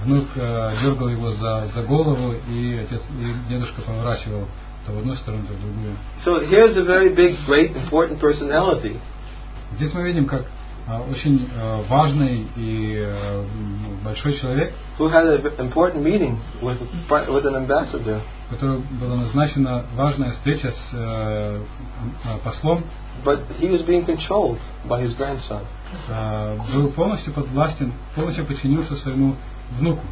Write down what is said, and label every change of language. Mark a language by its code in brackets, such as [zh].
[ru] Внук дергал его за голову, и отец и дедушка поворачивал то в одну сторону, то в другую. [en] So here's a very big, great, important personality. [ru] Здесь мы видим, как очень важный и большой человек, [en] who had an important meeting with an ambassador. [ru] Которой была назначена важная встреча с послом. [en] But he was being controlled by his grandson. [ru] Был полностью подвластен, полностью подчинился своему внуку.